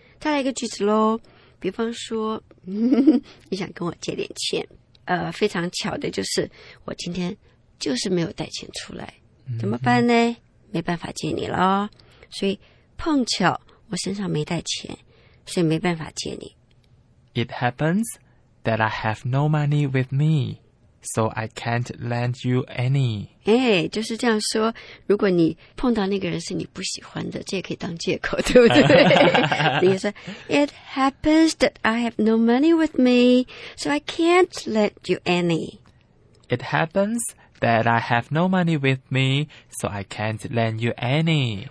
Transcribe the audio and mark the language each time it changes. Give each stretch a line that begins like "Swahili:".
Chinese: 再来一个句子喽，比方说，你想跟我借点钱，非常巧的就是我今天就是没有带钱出来，怎么办呢？没办法借你了，所以碰巧我身上没带钱，所以没办法借你。
English: It happens that I have no money with me, so I can't lend you any.
Chinese: 哎，就是这样说。如果你碰到那个人是你不喜欢的，这也可以当借口，对不对？你说
English: ，It happens that I have no money with me, so I can't lend you any. It happens that I have no money with me, so I can't lend you any.